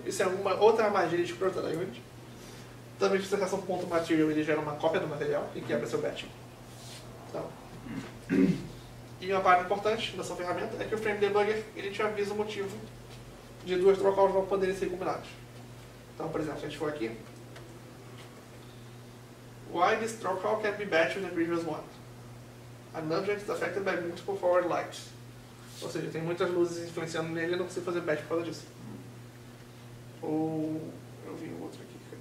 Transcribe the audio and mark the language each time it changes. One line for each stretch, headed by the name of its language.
Portuguese: Isso é uma outra magia de Proto Language. Também, se você acessa um ponto material, ele gera uma cópia do material e quebra seu batching. Então. E uma parte importante dessa ferramenta é que o frame debugger ele te avisa o motivo de duas trocas não poderem ser combinadas. Então, por exemplo, se a gente for aqui.
English: Why this trocal can't be batched in the previous one? An object is affected by multiple forward lights.
Portuguese: Ou seja, tem muitas luzes influenciando nele e eu não consigo fazer batch por causa disso. Ou. Eu vi um outro aqui.